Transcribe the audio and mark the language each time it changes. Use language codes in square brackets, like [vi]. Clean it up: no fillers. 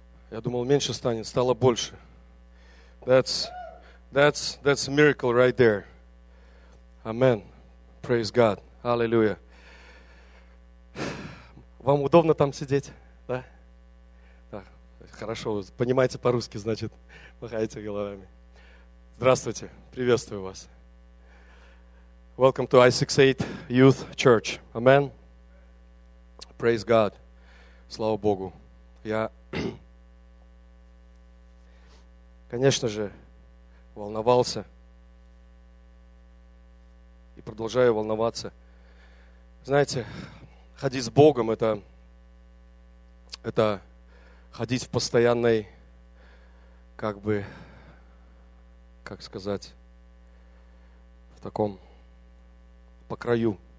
[ru] Я думал, меньше станет, стало больше. [en] That's a miracle right there. Amen. Praise God. Hallelujah. [ru] Вам удобно там сидеть? Да? Да. Хорошо. Понимаете по-русски, значит, махаете головами. Здравствуйте. Приветствую вас. [en] Welcome to i68 Youth Church. Amen. Praise God. [ru] Слава Богу. Я, конечно же, волновался и продолжаю волноваться. Знаете, ходить с Богом – это ходить в постоянной, как бы, как сказать, в таком, по краю.